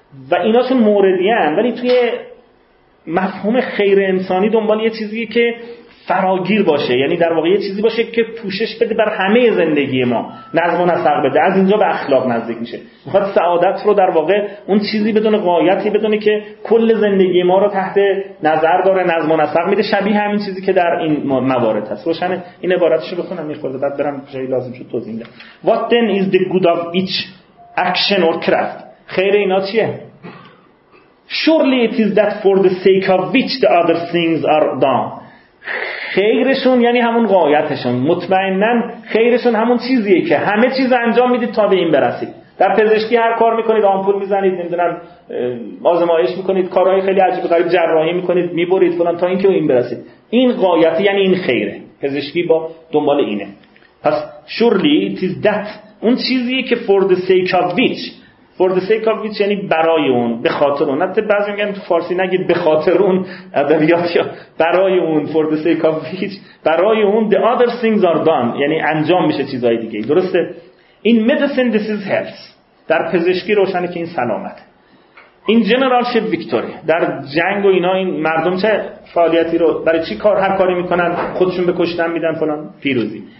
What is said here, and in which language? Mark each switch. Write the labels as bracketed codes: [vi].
[fa] و اینا چون موردیان، ولی توی مفهوم خیر انسانی دنبال یه چیزیه که فراگیر باشه، یعنی در واقع یه چیزی باشه که پوشش بده بر همه زندگی ما، نظم و نسق بده. از اینجا به اخلاق نزدیک میشه، میخواد سعادت رو در واقع اون چیزی بدون غایتی بدونه که کل زندگی ما رو تحت نظر داره، نظم و نسق میده، شبیه همین چیزی که در این موارد هست. روشنه؟ این عبارتشو بخونم میخوره، بعد برم جایی لازم شد توضیح میدم. [en] What then is the good of each action or craft؟ [fa] خیر اینا چیه؟ [en] Surely it is that for the sake of which the other things are done. [fa] خیرشون یعنی همون غایتشون، مطمئنن خیرشون همون چیزیه که همه چیز انجام میدید تا به این برسید. در پزشکی هر کار میکنید، آمپول میزنید، نمیدونم آزمایش میکنید، کارهای خیلی عجیب غریب، جراحی میکنید، میبرید فلان، تا اینکه به این برسید. این غایت یعنی این خیره، پزشکی با دنبال اینه. پس [en] surely it is that، [fa] اون چیزیه که [en] for the sake of which، [fa] for the sake of which یعنی برای اون، به خاطر اون. حتی بعضی میگن تو فارسی نگید به خاطر اون، ادبیات یا برای اون، [en] for the sake of which، [fa] برای اون، [en] the other things are done، [fa] یعنی انجام میشه چیزهای دیگه، درسته؟ [en] In medicine this is health، [fa] در پزشکی روشنه که این سلامت. [en] In generalship victory، [fa] در جنگ و اینا این مردم چه فعالیتی رو، برای چی کار، هر کاری میکنن، خودشون به کشتن میدن فلان، پیروزی.